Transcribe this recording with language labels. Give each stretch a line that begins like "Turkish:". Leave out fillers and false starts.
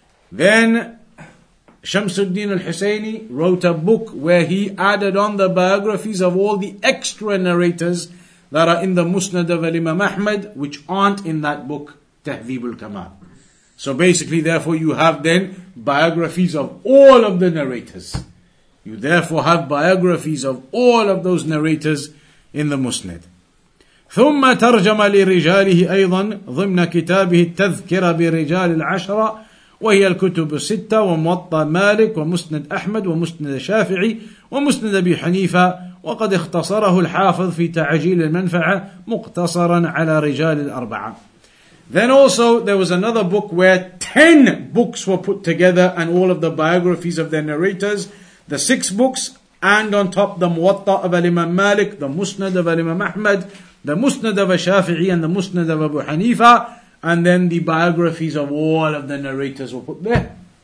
English: Then Shamsuddin al-Husayni wrote a book where he added on the biographies of all the extra narrators that are in the Musnad of Imam Ahmad, which aren't in that book, Tahdhib al-Kamal. So basically, therefore, you have then biographies of all of the narrators. You therefore have biographies of all of those narrators in the Musnad.
Arabic: ثم ترجم لرجاله أيضا ضمن كتابه التذكرة برجال العشرة وهي الكتب الستة وموطأ مالك ومسند أحمد ومسند الشافعي ومسند أبي حنيفة وقد اختصره الحافظ في تعجيل المنفعة مقتصرا على رجال الأربعة.
English: Then also there was another book where 10 books were put together and all of the biographies of their narrators, the 6 books and on top the Muwatta of Imam Malik, the Musnad of Imam Ahmad, the Musnad of Shafi'i and the Musnad of Abu Hanifa, and then the biographies of all of the narrators were put there.